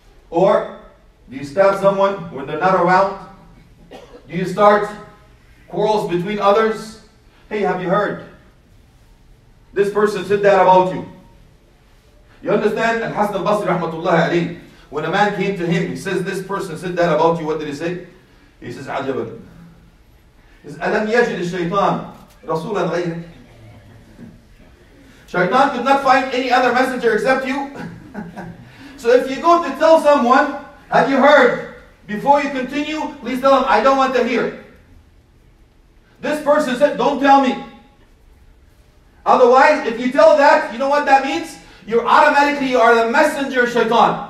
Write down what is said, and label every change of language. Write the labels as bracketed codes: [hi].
[en] Or do you stab someone when they're not around? Do you start quarrels between others? Hey, have you heard? This person said that about you. You understand? Al-Hasan al-Basri rahmatullahi alayhi, when a man came to him, he says, this person said that about you, what did he say? He says, عَجَبًا. He says, [ar] أَلَمْ يَجِدِ الشَّيْطَانِ رَسُولًا غَيْرًا. [en] Shaitan could not find any other messenger except you. So if you go to tell someone, have you heard? Before you continue, please tell them, I don't want to hear. This person said, don't tell me. Otherwise, if you tell that, you know what that means? You automatically are the messenger of Shaitan.